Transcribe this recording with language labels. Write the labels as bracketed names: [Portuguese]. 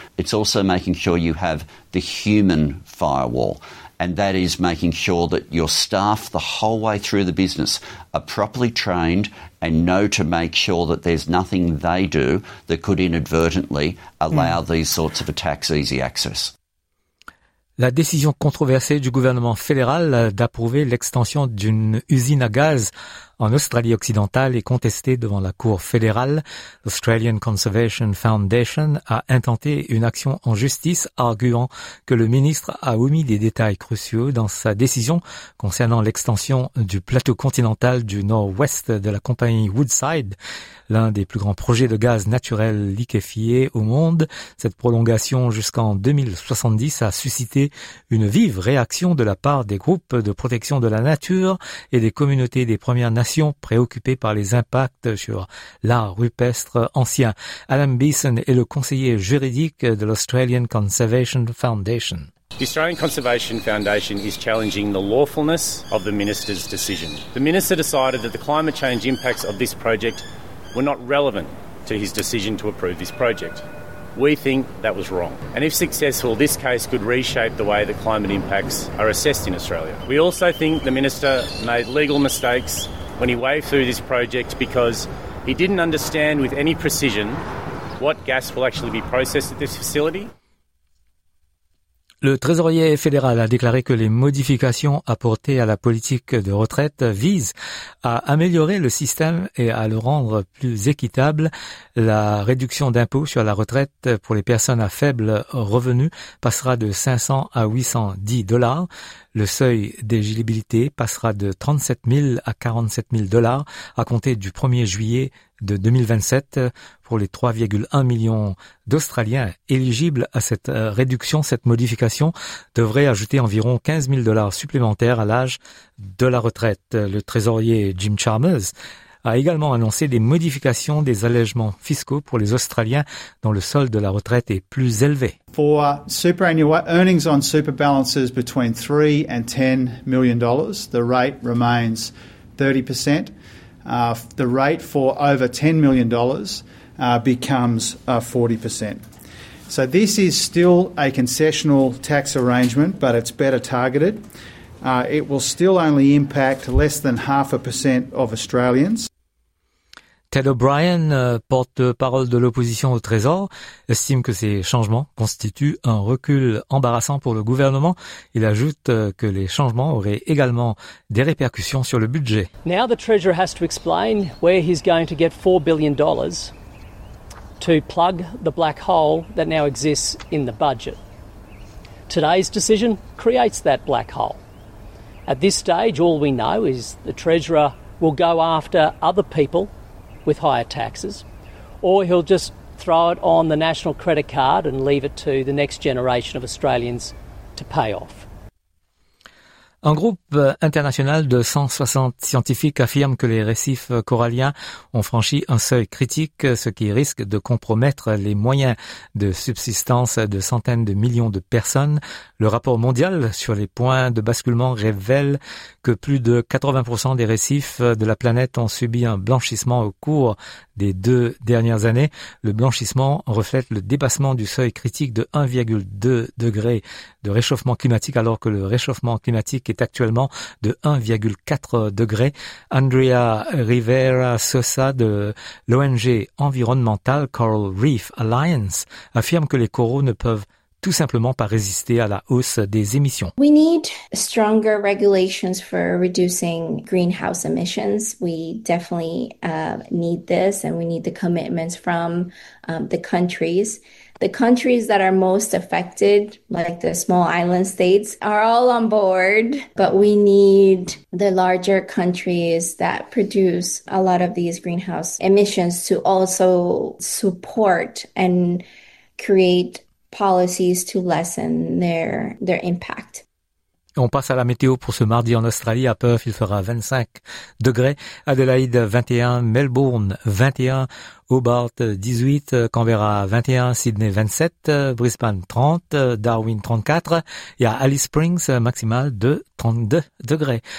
[English] It's also making sure you have the human firewall. And that is making sure that your staff the whole way through the business are properly trained and know to make sure that there's nothing they do that could inadvertently allow these sorts of attacks easy access. [French] La décision controversée du gouvernement fédéral d'approuver l'extension d'une usine à gaz en Australie-Occidentale est contestée devant la Cour fédérale. L'Australian Conservation Foundation a intenté une action en justice, arguant que le ministre a omis des détails cruciaux dans sa décision concernant l'extension du plateau continental du nord-ouest de la compagnie Woodside, l'un des plus grands projets de gaz naturel liquéfié au monde. Cette prolongation jusqu'en 2070 a suscité une vive réaction de la part des groupes de protection de la nature et des communautés des Premières Nations préoccupé par les impacts sur l'art rupestre ancien. Adam Beeson est le conseiller juridique de l'Australian Conservation Foundation. [English] The Australian Conservation Foundation is challenging the lawfulness of the minister's decision. The minister decided that the climate change impacts of this project were not relevant to his decision to approve this project. We think that was wrong. And if successful, this case could reshape the way that climate impacts are assessed in Australia. We also think the minister made legal mistakes when he waved through this project because he didn't understand with any precision what gas will actually be processed at this facility. [French] Le trésorier fédéral a déclaré que les modifications apportées à la politique de retraite visent à améliorer le système et à le rendre plus équitable. La réduction d'impôt sur la retraite pour les personnes à faible revenu passera de 500 à 810 dollars. Le seuil d'éligibilité passera de 37 000 à 47 000 dollars à compter du 1er juillet de 2027 pour les 3,1 millions d'Australiens éligibles à cette réduction. Cette modification devrait ajouter environ 15 000 dollars supplémentaires à l'âge de la retraite. Le trésorier Jim Chalmers a également annoncé des modifications des allègements fiscaux pour les Australiens dont le solde de la retraite est plus élevé. [English] For superannuation earnings on super balances between 3 and 10 million dollars, the rate remains 30%. The rate for over 10 million dollars becomes 40%. So this is still a concessional tax arrangement, but it's better targeted. It will still only impact less than 0.5% of Australians. [French] Ted O'Brien, porte-parole de l'opposition au Trésor, estime que ces changements constituent un recul embarrassant pour le gouvernement. Il ajoute que les changements auraient également des répercussions sur le budget. [English] Now the Treasurer has to explain where he's going to get $4 billion to plug the black hole that now exists in the budget. Today's decision creates that black hole. At this stage, all we know is the Treasurer will go after other people with higher taxes, or he'll just throw it on the national credit card and leave it to the next generation of Australians to pay off. [French] Un groupe international de 160 scientifiques affirme que les récifs coralliens ont franchi un seuil critique, ce qui risque de compromettre les moyens de subsistance de centaines de millions de personnes. Le rapport mondial sur les points de basculement révèle que plus de 80% des récifs de la planète ont subi un blanchissement au cours des deux dernières années. Le blanchissement reflète le dépassement du seuil critique de 1,2 degré de réchauffement climatique, alors que le réchauffement climatique est actuellement de 1,4 degré. Andrea Rivera Sosa de l'ONG environnementale Coral Reef Alliance affirme que les coraux ne peuvent tout simplement pas résister à la hausse des émissions. [English] We need stronger regulations for reducing greenhouse emissions. We definitely need this, and we need the commitments from the countries. The countries that are most affected, like the small island states, are all on board, but we need the larger countries that produce a lot of these greenhouse emissions to also support and create policies to lessen their impact. [French] On passe à la météo pour ce mardi en Australie. À Perth, il fera 25 degrés. Adelaide, 21. Melbourne, 21. Hobart, 18. Canberra, 21. Sydney, 27. Brisbane, 30. Darwin, 34. Et à Alice Springs, maximal de 32 degrés.